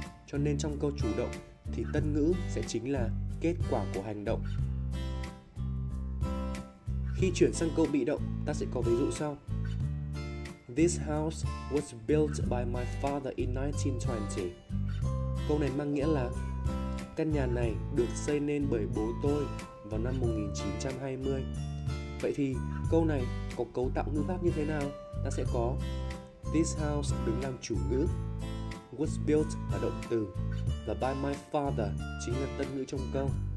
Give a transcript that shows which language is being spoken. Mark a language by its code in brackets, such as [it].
[vi] Cho nên trong câu chủ động thì tân ngữ sẽ chính là kết quả của hành động. Khi chuyển sang câu bị động, ta sẽ có ví dụ sau. [en] This house was built by my father in 1920. [vi] Câu này mang nghĩa là căn nhà này được xây nên bởi bố tôi vào năm 1920. Vậy thì câu này có cấu tạo ngữ pháp như thế nào? Ta sẽ có this house đứng làm chủ ngữ, was built là động từ và by my father chính là tân ngữ trong câu.